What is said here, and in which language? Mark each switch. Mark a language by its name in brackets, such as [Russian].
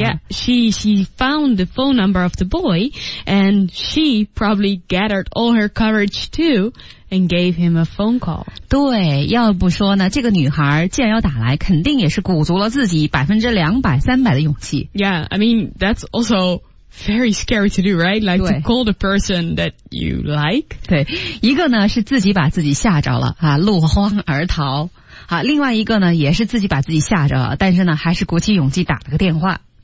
[English] Yeah, she found the phone number of the boy, and she probably gathered all her courage too, and gave him a phone call. [Chinese] 对，要不说呢，这个女孩既然要打来，肯定也是鼓足了自己200%、300%、300%的勇气。 [English] Yeah, I mean, that's also... Very scary to do, right? Like to call the person that you like. [Chinese] 对，一个呢是自己把自己吓着了啊，落荒而逃啊。另外一个呢也是自己把自己吓着了，但是呢还是鼓起勇气打了个电话。